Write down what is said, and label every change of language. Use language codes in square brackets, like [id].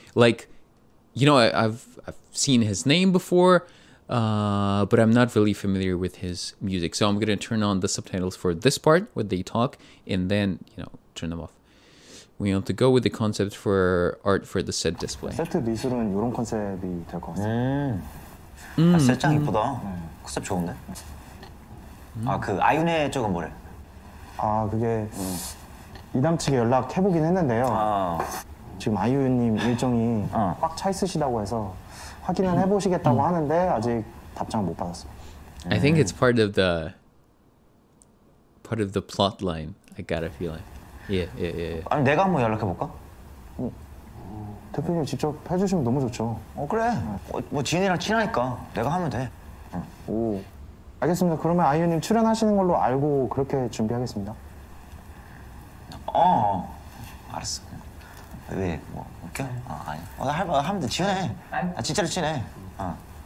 [en] Like, you know, I've seen his name before, but I'm not really familiar with his music, so I'm gonna turn on the subtitles for this part where they talk, and then, you know, turn them off. We want to go with the concept for art for the set display. [ko] Set 미술은 이런 컨셉이 될 것 같아요. 아, 세짱 이쁘다. 컨셉 좋은데? 아, 그 아윤의 쪽은 뭐래? 아, 그게 이남 측에 연락해보긴 했는데요. 아. 지금 아윤님 일정이 꽉 차 있으시다고 해서 확인은 해보시겠다고 하는데 아직 답장 못 받았어요. [en] I think it's part of the plot line. I got a feeling. Yeah. [ko] 아니 내가 한번 연락해 볼까? 대표님 직접 해주시면 너무 좋죠. 어 그래. 뭐 진이랑 친하니까 내가 하면 돼. 오. 알겠습니다. 그러면 아이유님 출연하시는 걸로 알고 그렇게 준비하겠습니다. 어. 알았어. 왜 뭐? 어, 아니. 어, 나 하면 돼. 친해. 아, 진짜로 친해. 어.